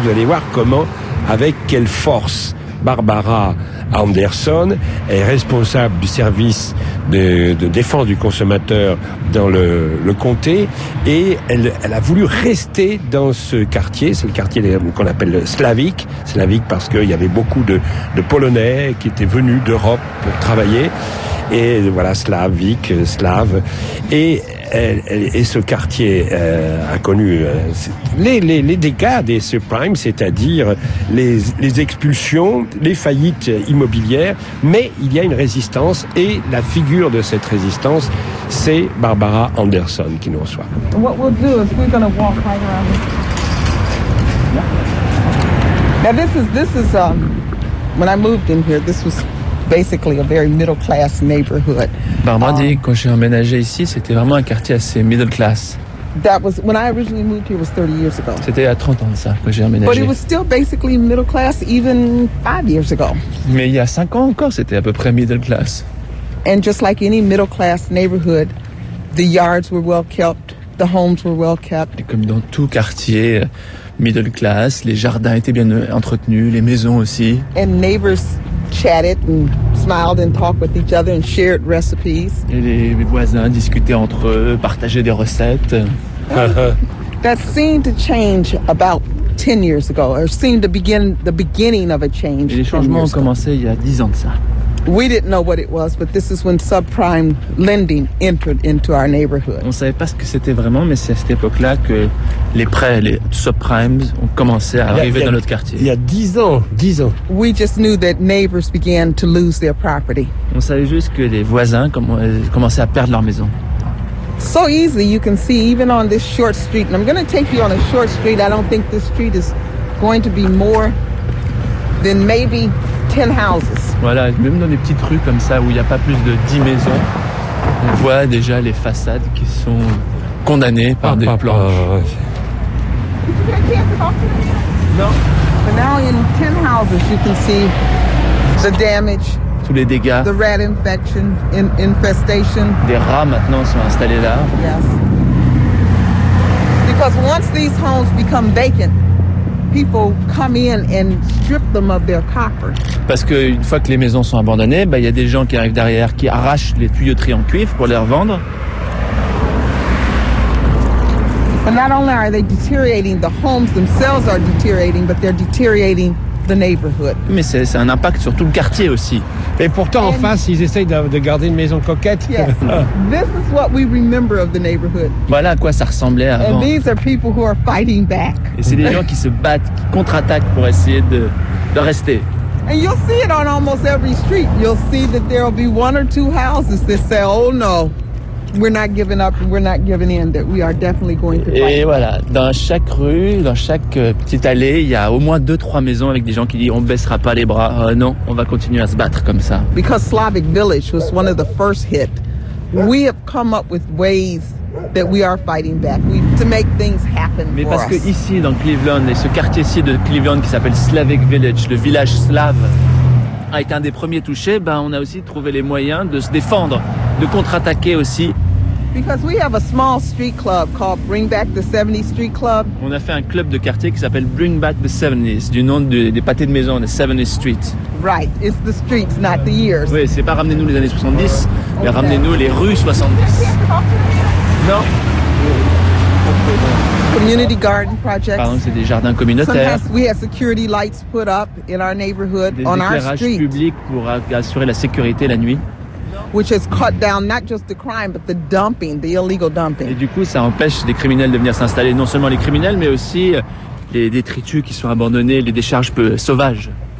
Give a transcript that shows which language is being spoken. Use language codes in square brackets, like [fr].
[fr] Vous allez voir comment, avec quelle force. Barbara Anderson est responsable du service de défense du consommateur dans le comté et elle a voulu rester dans ce quartier, c'est le quartier qu'on appelle Slavic parce qu'il y avait beaucoup de Polonais qui étaient venus d'Europe pour travailler et voilà, Slavic, Slave, et et ce quartier a connu les dégâts des subprimes, c'est-à-dire les expulsions, les faillites immobilières, mais il y a une résistance et la figure de cette résistance, c'est Barbara Anderson qui nous reçoit. [en] What we'll do is we're going to walk right around. Now this is when I moved in here, this was basically a very middle class neighborhood. [fr] Barbara dit quand j'ai emménagé ici, c'était vraiment un quartier assez middle class. [en] That was when I originally moved here was 30 years ago. [fr] C'était il y a 30 ans ça quand j'ai emménagé. [en] But it was still basically middle class even 5 years ago. [fr] Mais il y a 5 ans encore, c'était à peu près middle class. [en] And just like any middle class neighborhood, the yards were well kept, the homes were well kept. [fr] Et comme dans tout quartier middle class, les jardins étaient bien entretenus, les maisons aussi. [en] And neighbors chatted and smiled and talked with each other and shared recipes. [fr] Et les voisins discutaient entre eux, partageaient des recettes. [en] That seemed to change about 10 years ago, or seemed to begin the beginning of a change. [fr] Et les changements ont commencé il y a 10 ans de ça. We didn't know what it was, but this is when subprime lending entered into our neighborhood. On savait pas ce que c'était vraiment, mais c'est à cette époque-là que les prêts, les subprimes, ont commencé à arriver dans notre quartier. Il y a 10 ans. [en] We just knew that neighbors began to lose their property. [fr] On savait juste que les voisins commençaient à perdre leur maison. [en] so easily. You can see even on this short street, and I'm going to take you on a short street. I don't think this street is going to be more than maybe 10 houses. [fr] Voilà, même dans des petites rues comme ça où il n'y a pas plus de 10 maisons, on voit déjà les façades qui sont condamnées par des planches. [en] No. But now in 10 houses you can see the damage. [fr] Tous les dégâts. [en] The rat infection, infestation. [fr] Des rats maintenant sont installés là. [en] Yes. Because once these homes become vacant, people come in and strip them of their copper. [fr] Parce que une fois que les maisons sont abandonnées, bah il y a des gens qui arrivent derrière qui arrachent les tuyauteries en cuivre pour les revendre. [en] But not only are they deteriorating, the homes themselves are deteriorating, but they're deteriorating the neighborhood. [fr] Mais c'est un impact sur tout le quartier aussi. Et pourtant, en face, ils essayent de garder une maison coquette. [en] Yes. This is what we remember of the neighborhood. [fr] Voilà à quoi ça ressemblait avant. [en] And these are people who are fighting back. [fr] Et c'est des gens qui se battent, qui contre-attaquent pour essayer de rester. [en] And you'll see it on almost every street. You'll see that there will be one or two houses that say, oh no. We're not giving up, we're not giving in, that we are definitely going to fight. [fr] Et voilà, dans chaque rue, dans chaque petite allée, il y a au moins 2-3 maisons avec des gens qui disent on baissera pas les bras, non, on va continuer à se battre comme ça. [en] Because Slavic Village was one of the first hit, we have come up with ways that we are fighting back, to make things happen. [fr] Mais parce que ici, dans Cleveland, et ce quartier-ci de Cleveland qui s'appelle Slavic Village, le village slave, a été un des premiers touchés, ben on a aussi trouvé les moyens de se défendre, de contre-attaquer aussi. [en] Because we have a small street club called Bring Back the 70s Street Club. [fr] On a fait un club de quartier qui s'appelle Bring Back the 70s, du nom des pâtés de maison, the 70s Street. [en] Right, it's the streets, not the years. [fr] Oui, c'est pas ramenez-nous les années 70, mais okay. Ramenez-nous les rues 70. Non. [en] Community garden projects. [fr] Par exemple, c'est des jardins communautaires. [en] Sometimes we have security lights put up in our neighborhood, [fr] des [en] on our street. [fr] Éclairage public pour assurer la sécurité la nuit. [en] Which has cut down not just the crime, but the dumping, the illegal dumping. [fr] Et du coup, ça empêche des criminels de venir s'installer, non seulement les criminels, mais aussi les détritus qui sont abandonnés, les décharges peu sauvages.